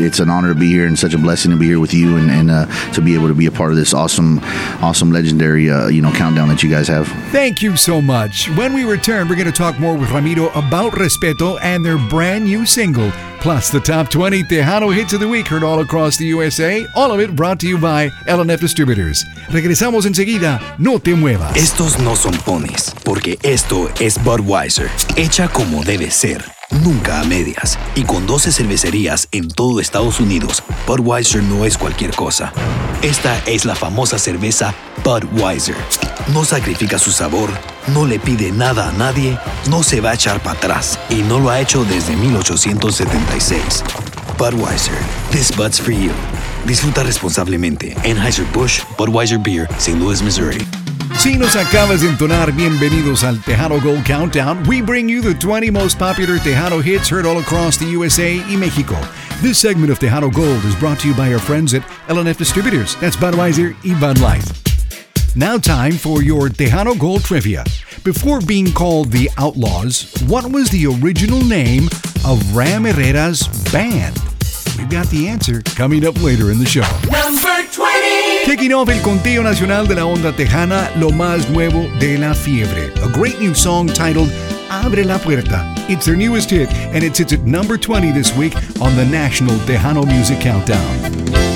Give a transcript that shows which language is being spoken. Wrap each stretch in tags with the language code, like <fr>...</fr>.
<en>It's an honor to be here and such a blessing to be here with you and to be able to be a part of this awesome, legendary, countdown that you guys have. Thank you so much. When we return, we're going to talk more with Ramiro about Respeto and their brand new single, plus the top 20 Tejano hits of the week heard all across the USA. All of it brought to you by L&F Distributors.</en> <es>Regresamos enseguida. No te muevas. Estos no son ponis, porque esto es Budweiser. Hecha como debe ser, nunca a medias. Y con 12 cervecerías en todo Estados Unidos, Budweiser no es cualquier cosa. Esta es la famosa cerveza Budweiser. No sacrifica su sabor, no le pide nada a nadie, no se va a echar para atrás y no lo ha hecho desde 1876.</es> <en>Budweiser, this Bud's for you.</en> <es>Disfruta responsablemente. Anheuser-Busch, Budweiser Beer, St. Louis, Missouri. Si nos acabas de entonar, bienvenidos al Tejano Gold Countdown.</es> <en>We bring you the 20 most popular Tejano hits heard all across the USA</en> <es>y México.</es> <en>This segment of Tejano Gold is brought to you by our friends at L&F Distributors. That's Budweiser y Bud Light. Now time for your Tejano Gold Trivia. Before being called the Outlaws, what was the original name of Ram Herrera's band? We've got the answer coming up later in the show. Number 20! Kicking off</en> <es>el conteo nacional de la onda tejana, lo más nuevo de la fiebre.</es> <en>A great new song titled Abre la Puerta. It's their newest hit, and it sits at number 20 this week on the National Tejano Music Countdown.</en>